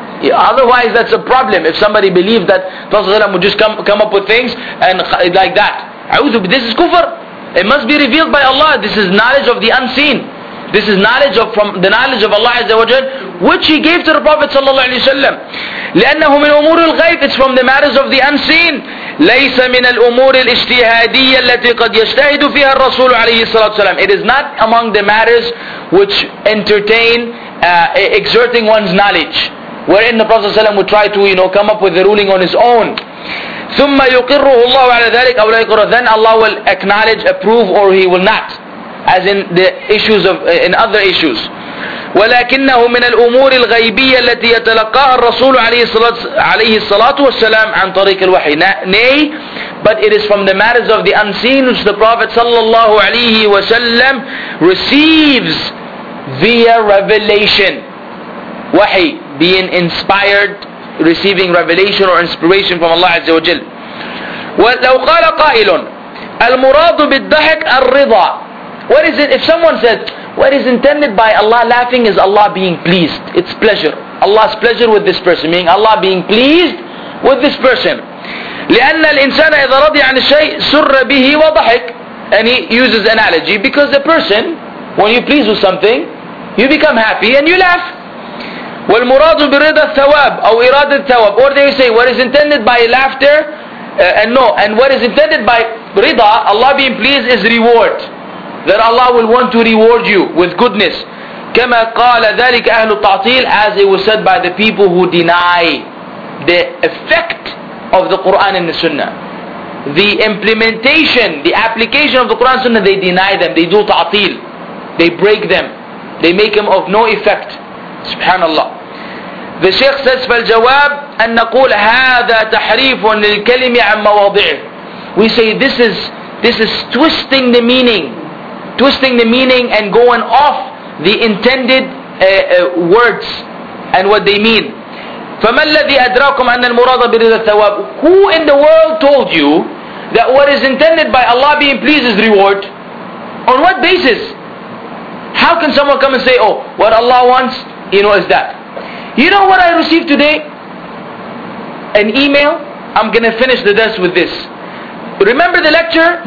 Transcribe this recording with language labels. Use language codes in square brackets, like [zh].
[en] Otherwise, that's a problem. If somebody believes that Prophet sallallahu alaihi wasallam would just come up with things and like that, this is kufr. It must be revealed by Allah. This is knowledge of the unseen. This is knowledge of from the knowledge of Allah Azza wa Jal, which He gave to the Prophet sallallahu alaihi wasallam. [ar] لأنه من أمور الغيب. [en] It's from the matters of the unseen. [ar] ليس من الأمور الاجتهادية التي قد يجتهد فيها الرسول عليه الصلاة والسلام. [en] It is not among the matters which entertain exerting one's knowledge, wherein the Prophet sallallahu alaihi wasallam would try to, you know, come up with the ruling on his own. [ar] ثم يقره الله على ذلك أو لا يقره. [en] Then Allah will acknowledge, approve, or He will not. As in the issues of in other issues. [ar] ولكنه من الأمور الغيبية التي يتلقاها الرسول عليه الصلاة والسلام عن طريق الوحي. [en] Nay, but it is from the matters of the unseen which the Prophet [ar] صلى الله عليه وسلم [en] receives via revelation. وحي, being inspired, receiving revelation or inspiration from Allah عز وجل. [ar] ولو قال قائل المراد بالضحك الرضا. [en] What is it, if someone said, what is intended by Allah laughing is Allah being pleased. It's pleasure. Allah's pleasure with this person. Meaning Allah being pleased with this person. [ar] لِأَنَّ الْإِنسَانَ إِذَا رَضِيَ عَنِ الشَّيْءِ سُرَّ بِهِ وَضَحِكَ. [en] And he uses analogy. Because a person, when you please with something, you become happy and you laugh. [ar] وَالْمُرَادُ بِرِضَ الثَّوَابِ أَوْ إِرَادَ الثَّوَابِ. [en] Or they say, what is intended by laughter and no. And what is intended by rida, Allah being pleased, is reward. That Allah will want to reward you with goodness. [ar] كما قال ذلك أهل التعطيل, [en] as it was said by the people who deny the effect of the Quran and the Sunnah. The implementation, the application of the Quran and Sunnah, they deny them. They do ta'til. They break them. They make them of no effect. Subhanallah. The Shaykh says, [ar] فالجواب أن نقول هذا تحريف للكلمة عن مواضعه. [en] We say this is twisting the meaning. Twisting the meaning and going off the intended words and what they mean. [ar] فما الذي أدراكم أن المراد برضا الثواب. [en] Who in the world told you that what is intended by Allah being pleased is reward? On what basis? How can someone come and say, oh, what Allah wants, you know, is that. You know what I received today? An email. I'm going to finish the desk with this. Remember the lecture?